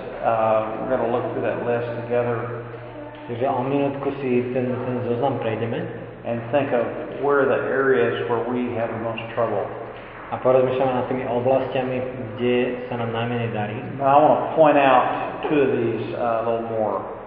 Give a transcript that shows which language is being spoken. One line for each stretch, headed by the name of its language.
English: We're going to look through that list together.
Slovak: Takže o minútku si ten zoznam prejdeme.
English: And think of where the areas where we have the most trouble.
Slovak: A porozmýšľame nad tými oblastiami, kde sa nám najmenej darí.
English: But I want to point out two of these a little more.